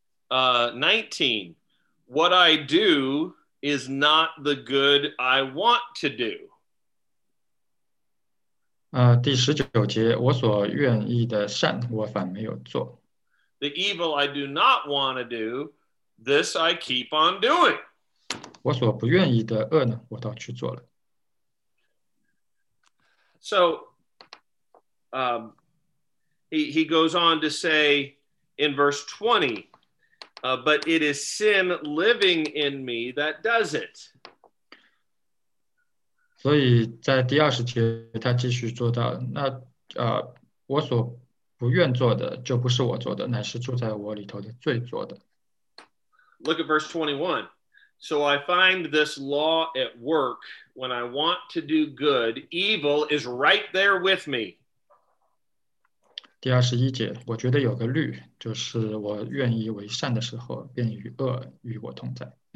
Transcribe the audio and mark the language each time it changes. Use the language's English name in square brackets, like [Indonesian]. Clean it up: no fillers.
[English] 19, what I do is not the good I want to do. [Chinese] 第十九节，我所愿意的善，我反没有做。 [English] The evil I do not want to do, this I keep on doing. [Chinese] 我所不愿意的恶呢，我倒去做了。 [English] So, he goes on to say in verse 20,but it is sin living in me that does it. [Chinese] 所以在第二十节他继续做到，那我所不愿做的就不是我做的，乃是住在我里头的罪做的。 [English] Look at verse 21. So I find this law at work when I want to do good, evil is right there with me. [Chinese] 第二十一节，我觉得有个律，就是我愿意为善的时候，便有恶与我同在。